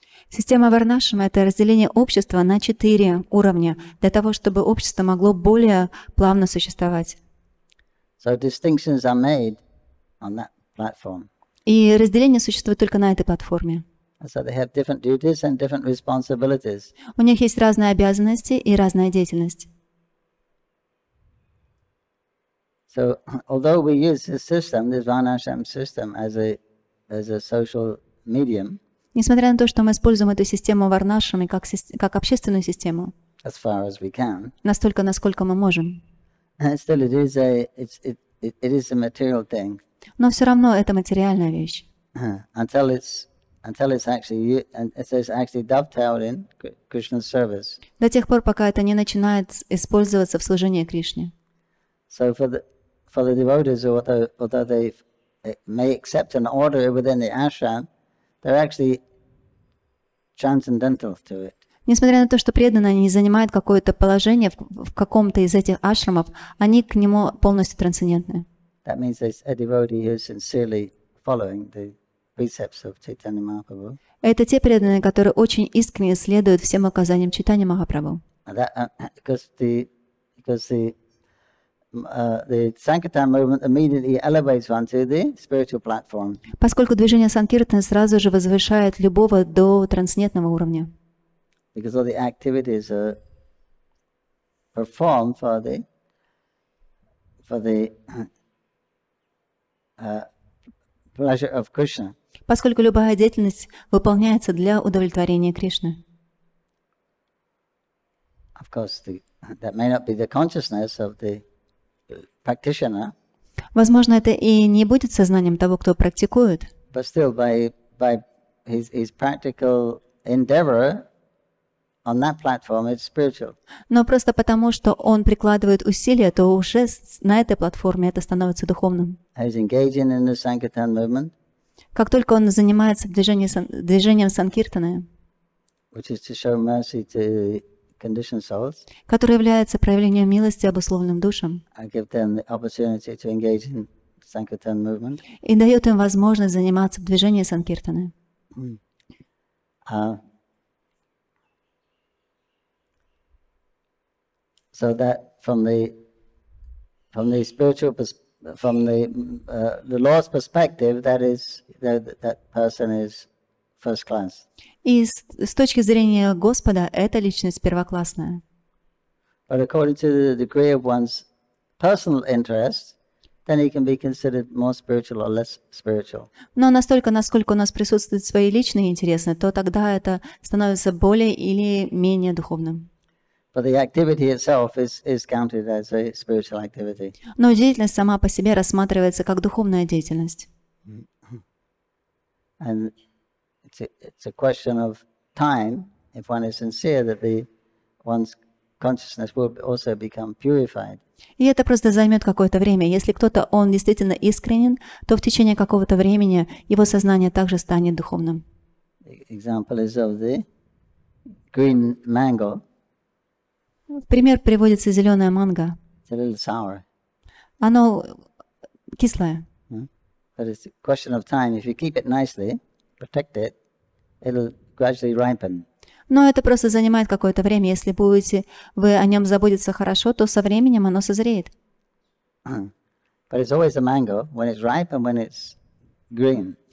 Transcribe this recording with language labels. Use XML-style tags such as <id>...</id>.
<ru>Система Варнашрама — это разделение общества на 4 уровня для того, чтобы общество могло более плавно существовать.</ru> <en>So distinctions are made on that platform.</en> <ru>И разделение существует только на этой платформе.</ru> <en>So they have different duties and different responsibilities.</en> <ru>У них есть разные обязанности и разная деятельность.</ru> <en>So, although we use this system, this Varnashram system, as a social medium,</en> <ru>несмотря на то, что мы используем эту систему Варнашрамы как общественную систему,</ru> <en>as far as we can,</en> <ru>настолько, насколько мы можем,</ru> <en>still it is a material thing.</en> <ru>Но все равно это материальная вещь. До тех пор, пока это не начинает использоваться в служении Кришне.</ru> <en>So for the devotees, although they may accept an order within the ashram, they're actually transcendental to it.</en> <ru>Несмотря на то, что преданные не занимают какое-то положение в каком-то из этих ашрамов, они к нему полностью трансцендентны.</ru> <en>That means there's a devotee who's sincerely following the precepts of Chaitanya Mahaprabhu.</en> <ru>Это те преданные, которые очень искренне следуют всем указаниям Чайтаньи Махапрабху.</ru> <en>Because the Sankirtan movement immediately elevates one to the spiritual platform.</en> <ru>Поскольку движение Санкиртаны сразу же возвышает любого до трансцендентного уровня.</ru> <en>Because all the activities are performed for the pleasure of Krishna.</en> <ru>Поскольку любая деятельность выполняется для удовлетворения Кришны.</ru> <en>Of course, that may not be the consciousness of the practitioner.</en> <ru>Возможно, это и не будет сознанием того, кто практикует.</ru> <en>But still, by his practical endeavor on that platform, it's spiritual.</en> <ru>Но просто потому, что он прикладывает усилия, то уже на этой платформе это становится духовным.</ru> <en>He's engaging in the Sankirtan movement.</en> <ru>Как только он занимается движением Санкиртаны,</ru> <en>which is to show mercy to conditioned souls,</en> <ru>который является проявлением милости обусловленным душам,</ru> <en>I give them the opportunity to engage in Sankirtan movement,</en> <ru>и дает им возможность заниматься движением Санкиртаны.</ru> <en>So that from the spiritual perspective, from the law's perspective, that is that person is first class.</en> <ru>И с точки зрения Господа, эта личность первоклассная.</ru> <en>But according to the degree of one's personal interest, then he can be considered more spiritual or less spiritual.</en> <ru>Но настолько, насколько у нас присутствуют свои личные интересы, то тогда это становится более или менее духовным.</ru> <en>But the activity itself is counted as a spiritual activity.</en> <ru>Но деятельность сама по себе рассматривается как духовная деятельность.</ru> <en>And it's a question of time if one is sincere that one's consciousness will also become purified.</en> <ru>И это просто займет какое-то время. Если кто-то он действительно искренен, то в течение какого-то времени его сознание также станет духовным.</ru> <en>Example is of the green mango.</en> <ru>В пример приводится зеленая манго.</ru> <en>It's a little sour.</en> <ru>Оно кислое.</ru> <en>But it's a question of time. If you keep it nicely, protect it, it'll gradually ripen.</en> <ru>Но это просто занимает какое-то время. Если будете вы о нем заботиться хорошо, то со временем оно созреет.</ru> <en>But it's always a mango when it's ripe and when it's green.</en>